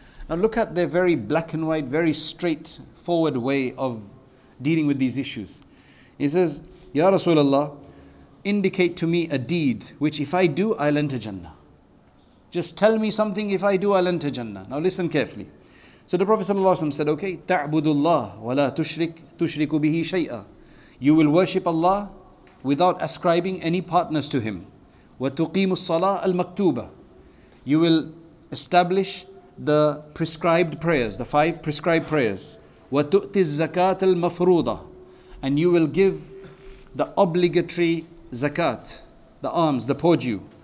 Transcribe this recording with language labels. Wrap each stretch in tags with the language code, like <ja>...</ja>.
<en>Now look at their very black and white, very straightforward way of dealing with these issues. He says, "Ya Rasulullah, indicate to me a deed which if I do, I'll enter Jannah. Just tell me something, if I do, I'll enter Jannah." Now listen carefully. So the Prophet ﷺ said, okay,</en> <ar>تَعْبُدُ اللَّهِ وَلَا تُشْرِكُ بِهِ شَيْئًا.</ar> <en>You will worship Allah without ascribing any partners to Him.</en> <ar>وَتُقِيمُ الصَّلَاةَ الْمَكْتُوبَةِ.</ar> <en>You will establish the prescribed prayers, the five prescribed prayers.</en> <ar>وَتُؤْتِ الزَّكَاةَ الْمَفْرُوضَةِ.</ar> <en>And you will give the obligatory zakat, the alms, the poor Jew.</en>